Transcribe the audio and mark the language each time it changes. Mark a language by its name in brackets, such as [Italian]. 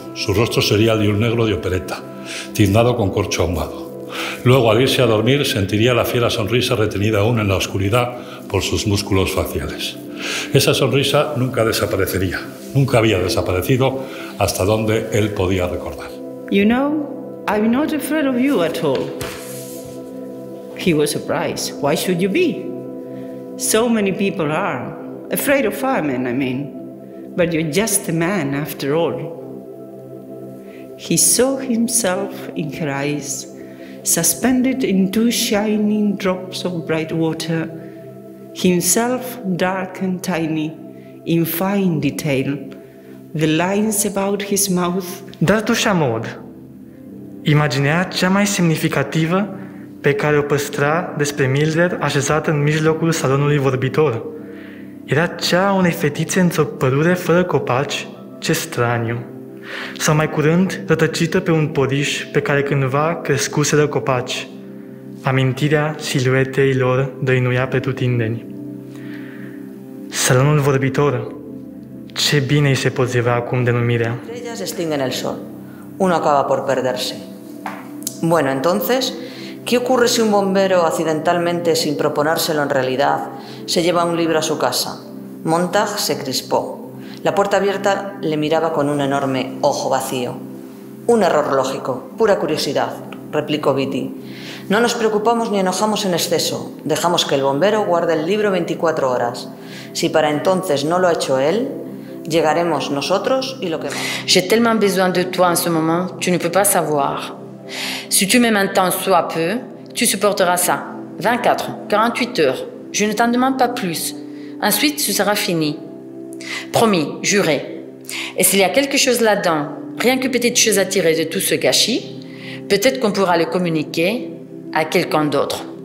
[Spanish] Su rostro sería el de un negro de opereta, tiznado con corcho ahumado. Luego, al irse a dormir, sentiría la fiera sonrisa retenida aún en la oscuridad por sus músculos faciales. Esa sonrisa nunca desaparecería. Nunca había desaparecido hasta donde él podía recordar. [English] You know, I'm not afraid of you at all. He was surprised. Why should you be? So many people are afraid of firemen, I mean. But you're just a man, after all. He saw himself in her eyes, suspended in two shining drops of bright water, himself dark and tiny, in fine detail, the lines about his mouth. [Romanian] Dar tu chamod, imaginea cea mai semnificativa pe care o păstra despre Mildred așezată în mijlocul salonului vorbitor. Era cea a unei fetițe într-o pădure fără copaci, ce straniu. Sau mai curând, rătăcită pe un podiș pe care cândva crescuseră copaci. Amintirea siluetei lor dăinuia pretutindeni. Salonul vorbitor, ce bine îi se potrivea acum denumirea. Estrella se stinge în el sol. [Spanish] Uno acaba por perderse. Bueno, entonces, ¿qué ocurre si un bombero, accidentalmente, sin proponérselo en realidad, se lleva un libro a su casa? Montag se crispó. La puerta abierta le miraba con un enorme ojo vacío. Un error lógico, pura curiosidad, replicó Viti. No nos preocupamos ni enojamos en exceso. Dejamos que el bombero guarde el libro 24 horas. Si para entonces no lo ha hecho él, llegaremos nosotros y lo quemamos. [French] J'ai tellement besoin de toi en ce moment, tu ne peux pas savoir. Si tu m'aimes un temps soit peu, tu supporteras ça. 24, 48 heures. Je ne t'en demande pas plus. Ensuite, ce sera fini. Promis, juré. Et s'il y a quelque chose là-dedans, rien que petite chose à tirer de tout ce gâchis, peut-être qu'on pourra le communiquer à quelqu'un d'autre.